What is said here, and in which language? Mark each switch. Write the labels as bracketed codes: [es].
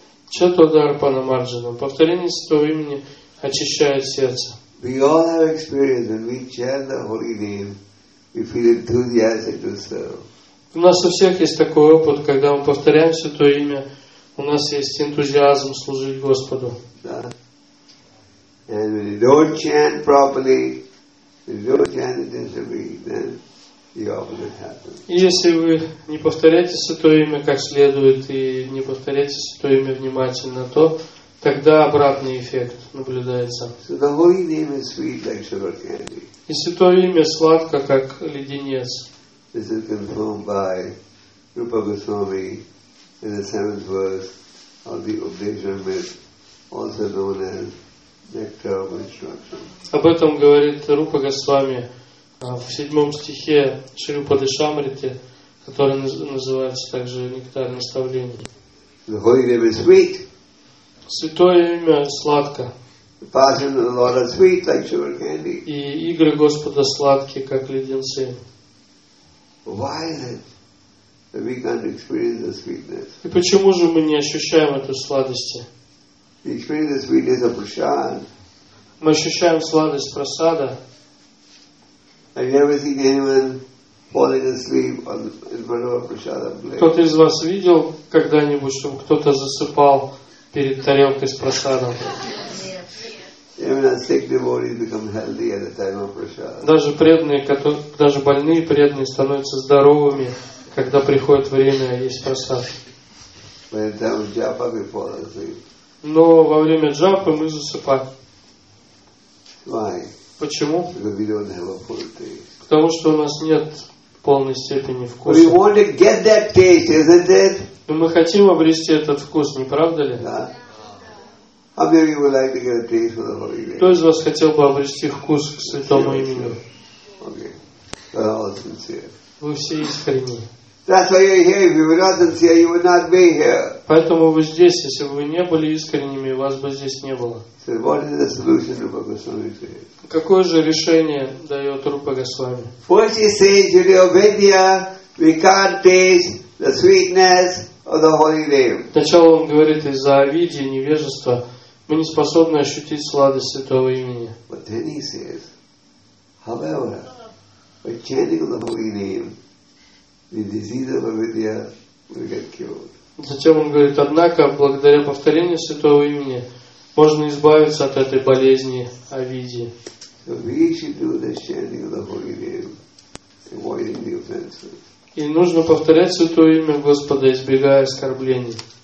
[ru] Чатва Дарпана Марджана. Повторение Святого Имени очищает сердце. [en] We all have experience when we chant the holy name, we feel enthusiastic to serve. [ru] У нас у всех есть такой опыт, когда мы повторяем Святое Имя, у нас есть энтузиазм служить Господу. [en] And when you don't chant properly, when you don't chant intensively, then the opposite happens. [ru] Если вы не повторяете Святое Имя как следует и не повторяете Святое Имя внимательно, то тогда обратный эффект наблюдается. [en] So the holy name is sweet like sugar candy. [ru] И Святое Имя сладко, как леденец. [en] This is confirmed by Rupa Goswami in the 7th verse of the Upadeshamrita, also known as Nectar of Instruction. [ru] Об этом говорит Рупа Госвами в 7 стихе Шри Упадешамрите, который называется также Нектар Наставления. [en] The holy name is sweet. [ru] Святое Имя сладко. [en] The passion of the Lord is sweet like sugar candy. [ru] И игры Господа сладкие, как леденцы. [en] Why is it that we can't experience the sweetness? [ru] И почему же мы не ощущаем эту сладость? [en] We experience the sweetness of prasad. [ru] Мы ощущаем сладость прасада. [en] Have you ever seen anyone falling asleep in front of a prasadam plate? [ru] Кто-то из вас видел когда-нибудь, чтобы кто-то засыпал перед тарелкой с прасадом? [en] Even a sick devotee become healthy at the time of prasad. [ru] Даже преданные, даже больные преданные становятся здоровыми, когда приходит время есть прасад. [en] When it's time of japa, we fall asleep. [ru] Но во время джапы мы засыпаем. [en] Why? [ru] Почему? [en] Because we don't have a full taste. [ru] Потому что у нас нет полной степени вкуса. [en] We want to get that taste, isn't it? [ru] Но мы хотим обрести этот вкус, не правда ли? Да. [en] How many would like to get a taste for the holy name? [ru] Кто из вас хотел бы обрести вкус к святому имени? [en] Okay. All sincere. [ru] Вы все искренни. [en] That's why you're here. If you were not sincere, you would not be here. [ru] Поэтому вы здесь. Если бы вы не были искренними, вас бы здесь не было. [en] So what is the solution to Bhagavad Gita? [ru] Какое же решение дает Рупа Госвами? [en] First he says, Yudhavidya, we can't taste the sweetness of the holy name. [ru] Сначала он говорит, из-за авидии, невежества, мы не способны ощутить сладость святого имени. [en] But then he says, however, by chanting the holy name, the disease of avidya will get cured. [ru] Затем он говорит, однако, благодаря повторению святого имени, можно избавиться от этой болезни авидии. И нужно повторять Святое Имя Господа, избегая оскорблений.